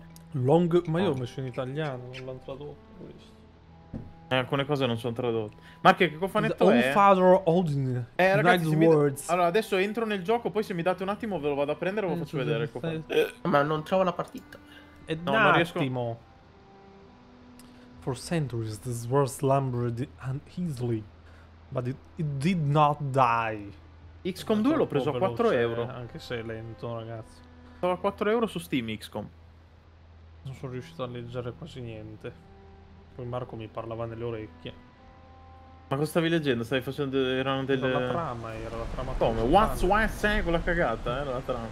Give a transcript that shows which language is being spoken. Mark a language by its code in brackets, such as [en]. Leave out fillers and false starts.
[it] Long, ma io ho messo in italiano, non l'ho tradotto questo. Alcune cose non sono tradotte. Marche, che cofanetto è? Father Odin. Ragazzi, words. Allora, adesso entro nel gioco, poi se mi date un attimo ve lo vado a prendere e lo faccio vedere. Ma non trovo la partita. E no, non riesco. [en] For centuries this world slumbered uneasily, but it did not die. [it] XCOM 2 l'ho preso a 4 euro. Anche se è lento, ragazzi. Stava a 4 euro su Steam XCOM. Non sono riuscito a leggere quasi niente. Poi Marco mi parlava nelle orecchie. Ma cosa stavi leggendo? Stavi facendo... erano delle... Era la trama. Come? [en] What's [it] quella cagata, era la trama.